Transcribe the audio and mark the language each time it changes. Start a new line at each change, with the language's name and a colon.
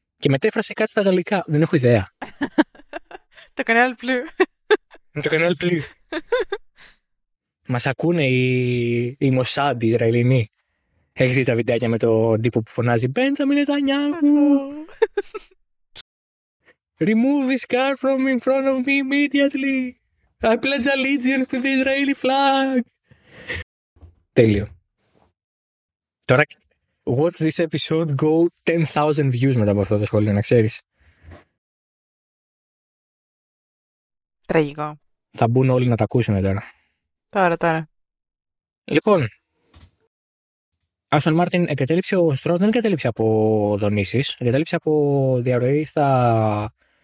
Greek: Και μετέφρασε κάτι στα γαλλικά, δεν έχω ιδέα. Το κανάλι πλού. Το κανάλι πλού. Μας ακούνε οι Μοσάντ, οι Ισραηλινοί. Έχεις δει τα βιντεάκια με τον τύπο που φωνάζει Μπέντζαμιν Νετανιάχου.
English: Remove this car from in front of me immediately. I pledge allegiance to the Israeli flag.
Greek: Τέλειο. Τώρα,
English: watch this episode go 10,000 views
Greek: μετά από αυτό το σχόλιο, να ξέρεις. Τραγικό. Θα μπουν όλοι να τα ακούσουν τώρα. Τώρα. Λοιπόν, Άστον Μάρτιν εγκατέλειψε, ο Στρόλ δεν εγκατέλειψε από δονήσεις, εγκατέλειψε από διαρροή στα...